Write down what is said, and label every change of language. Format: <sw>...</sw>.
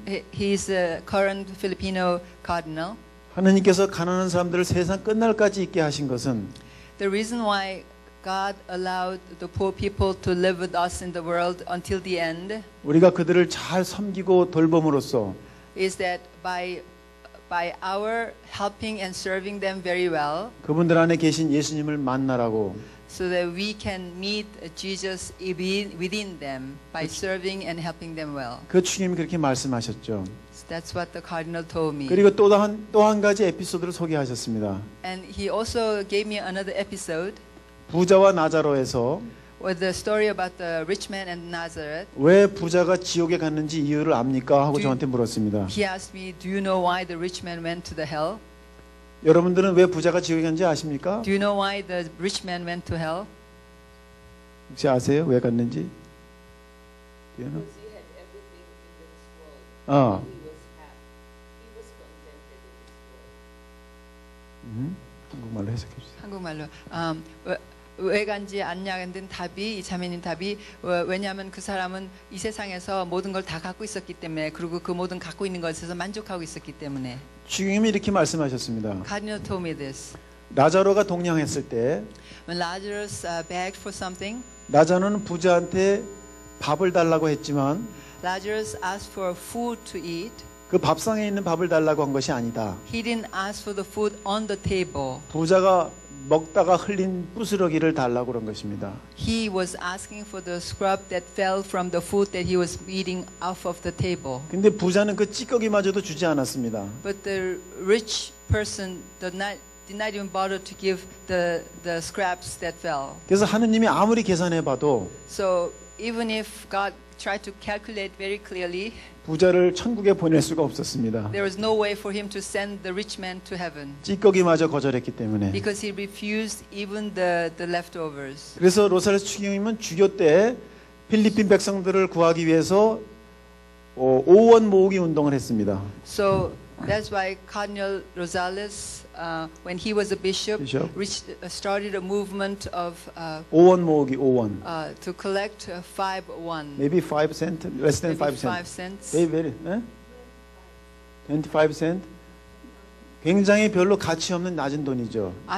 <en>He is a current Filipino cardinal.</en> <ko>하느님께서 가난한 사람들을 세상 끝날까지 있게 하신 것은</ko> <en>The reason why God allowed the poor people to live with us in the world until the end.</en> <ko>우리가 그들을 잘 섬기고 돌봄으로써</ko> <en>is that by our helping and serving them very well.</en> <ko>그분들 안에 계신 예수님을 만나라고</ko> <en>So that we can meet Jesus within them by serving and helping them well.</en> <ko>그 주님이 그렇게 말씀하셨죠.</ko> <en>So that's what the cardinal told me.</en> <ko>그리고 또 한 가지 에피소드를 소개하셨습니다.</ko> <en>And he also gave me another episode.</en> <ko>부자와 나자로에서</ko> <en>with the story about the rich man and Nazareth.</en> <ko>왜 부자가 지옥에 갔는지 이유를 압니까? 하고 저한테 물었습니다.</ko> <en>He asked me, "Do you know why the rich man went to the hell?"</en> <ko>여러분들은 왜 부자가 지옥에 갔는지 아십니까?</ko> <en>Do you know why the rich man went to hell?</en> <ko>혹시 아세요? 왜 갔는지?</ko> <en>Do you know? Because he had everything in this world. 어. He was contented in this world.</en> <ko>한국말로 해석해 주세요. 한국말로. 왜 간지 않냐 는 답이 이 자매님 답이 왜냐하면 그 사람은 이 세상에서 모든 걸 다 갖고 있었기 때문에 그리고 그 모든 갖고 있는 것에서 만족하고 있었기 때문에 주님이 이렇게 말씀하셨습니다.</ko> <en>God told me this.</en> <ko>라자로가 동량했을 때</ko> <en>When Lazarus begged for something</en> <ko>라자는 부자한테 밥을 달라고 했지만</ko> <en>Lazarus asked for food to eat</en> <ko>그 밥상에 있는 밥을 달라고 한 것이 아니다.</ko> <en>He didn't ask for the food on the table.</en> <ko>부자가 먹다가 흘린 부스러기를 달라고 그런 것입니다.</ko> <en>He was asking for the scrub that fell from the food that he was eating off of the table.</en> <ko>근데 부자는 그 찌꺼기마저도 주지 않았습니다.</ko> <en>But the rich person did not even bother to give the scraps that fell.</en> <ko>그래서 하느님이 아무리 계산해 봐도</ko> <en>So even if God tried to calculate very clearly</en> <ko>부자를 천국에 보낼 수가 없었습니다.</ko> <en>There was no way for him to send the rich man to heaven.</en> <ko>찌꺼기마저 거절했기 때문에.</ko> <en>Because he refused even the leftovers.</en> <ko>그래서 로사르 추기님은 주교 때 필리핀 백성들을 구하기 위해서 5원 모으기 운동을 했습니다.</ko> <en>So that's why Cardinal Rosales when he was a bishop. Started a movement of</en> <ko>5원 모으기 5원</ko> <en>to collect 5원 maybe 5 cent less than 5 cent 5 cents very very 25 cent</en> <ko>굉장히 별로 가치 없는 낮은 돈이죠.</ko>